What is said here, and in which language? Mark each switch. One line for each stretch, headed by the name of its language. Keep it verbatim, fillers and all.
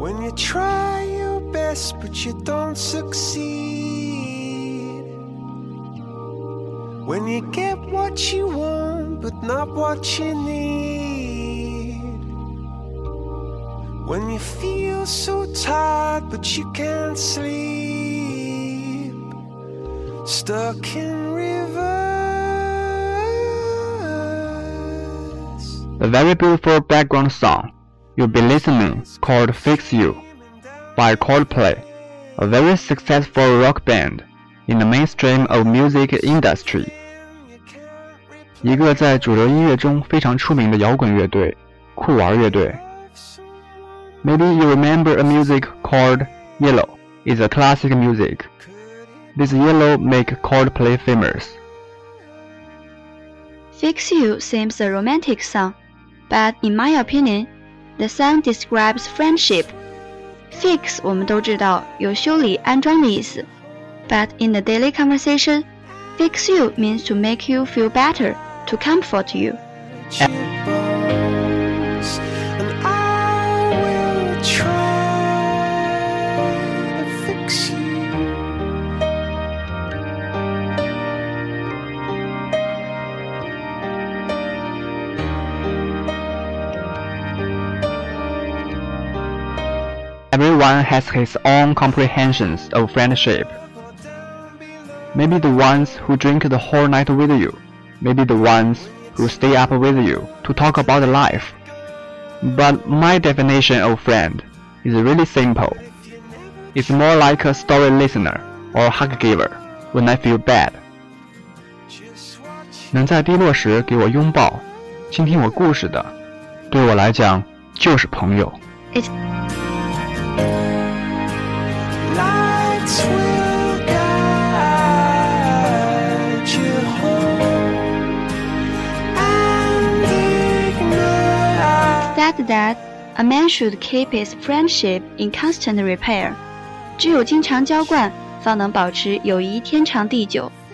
English: When you try your best but you don't succeed, when you get what you want but not what you need, when you feel so tired but you can't sleep, stuck in reverse. A very beautiful background song you'll be listening called Fix You by Coldplay, a very successful rock band in the mainstream of music industry.
Chinese: 一个在主流音乐中非常出名的摇滚乐队，酷玩乐队。
English: Maybe you remember a music called Yellow. It's a classic music. This Yellow make Coldplay famous. Fix You seems a romantic song, but in my opinion, the song describes friendship.
Chinese: Fix 我们都知道有修理、安装的意思。
English: But in the daily conversation, fix you means to make you feel better, to comfort you. And I will try to fix you. Everyone has his own comprehensions of friendship. Maybe the ones who drink the whole night with you, maybe the ones who stay up with you to talk about life. But my definition of friend is really simple. It's more like a story listener or hug giver when I feel bad.
Chinese: 能在低落时给我拥抱，倾听我故事的，对我来讲就是朋友。
English: It's-That a man should keep his friendship in constant repair.
Chinese: 只有经常浇灌，方能保持友谊天长地久。